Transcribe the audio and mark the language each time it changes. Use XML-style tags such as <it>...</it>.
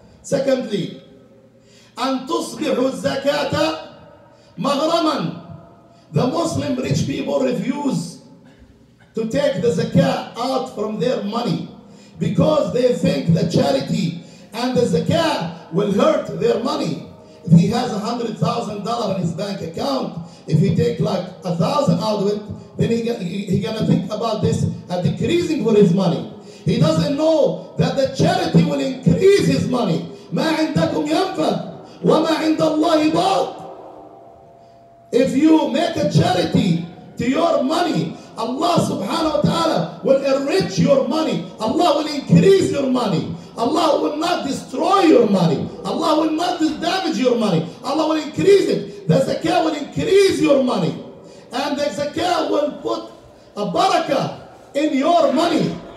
<ar>Secondly, أن تصبح الزكاة مغرما.</ar> <en>The Muslim rich people refuse to take the zakah out from their money because they think the charity and the zakah will hurt their money. If he has $100,000 in his bank account, if he take like $1,000 out of it, then he gonna think about this and decreasing for his money. He doesn't know that the charity will increase his money.</en> <ar>ما عندكم ينفذ وما عند الله باق.</ar> <en>If you make a charity to your money, Allah subhanahu wa ta'ala will enrich your money. Allah will increase your money. Allah will not destroy your money. Allah Allah will not damage your money. Allah will increase it. The zakah will increase your money. And the zakah will put a barakah in your money.</en>